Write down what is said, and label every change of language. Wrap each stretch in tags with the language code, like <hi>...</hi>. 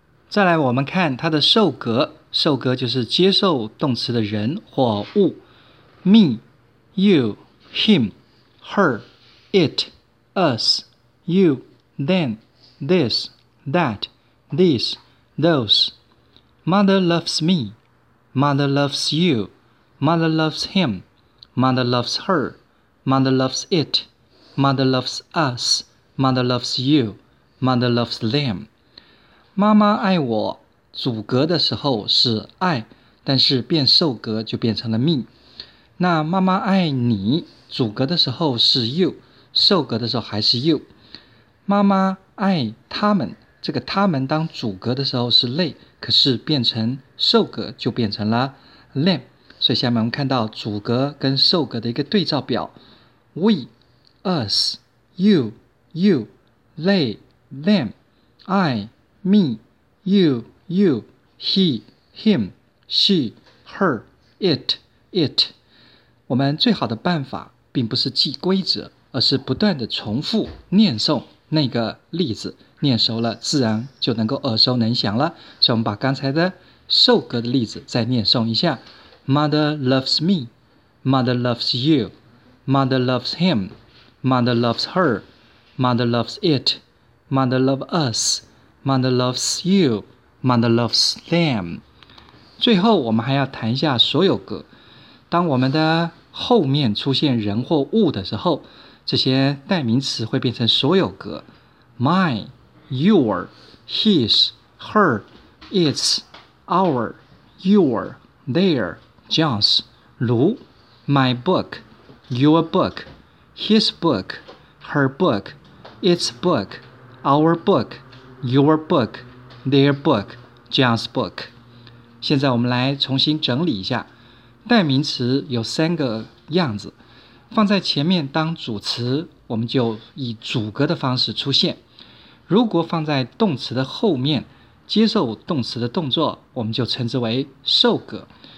<zh>再来我们看它的受格，受格就是接受动词的人或物。</zh> <en>Me, you, him, her, it, us, you, them, this, that, these, those. Mother loves me. Mother loves you. Mother loves him. Mother loves her. Mother loves it. Mother loves us. Mother loves you. Mother loves them.</en> <zh>妈妈爱我，主格的时候是爱，但是变受格就变成了 me。那妈妈爱你，主格的时候是 you， 受格的时候还是 you。妈妈爱他们，这个他们当主格的时候是 they， 可是变成受格就变成了 them。所以下面我们看到主格跟受格的一个对照表。</zh> <en>We, us, you, you, theyThem, I, me, you, you, he, him, she, her, it, it.</en> <zh>我们最好的办法并不是记规则，而是不断地重复念诵那个例子，念熟了自然就能够耳熟能详了。所以我们把刚才的受格的例子再念诵一下。</zh> <en>Mother loves me. Mother loves you. Mother loves him. Mother loves her. Mother loves it. Mother loves us. Mother loves you. Mother loves them.</en> <zh>最后我们还要谈一下所有格。当我们的后面出现人或物的时候，这些代名词会变成所有格。</zh> <en>My, your, his, her, its, our, your, their, John's, Lu, my book, your book, his book, her book, its book,Our book, your book, their book, John's book.</en> <zh>现在我们来重新整理一下。代名词有三个样子，放在前面当主词，我们就以主格的方式出现。如果放在动词的后面，接受动词的动作，我们就称之为受格。</zh>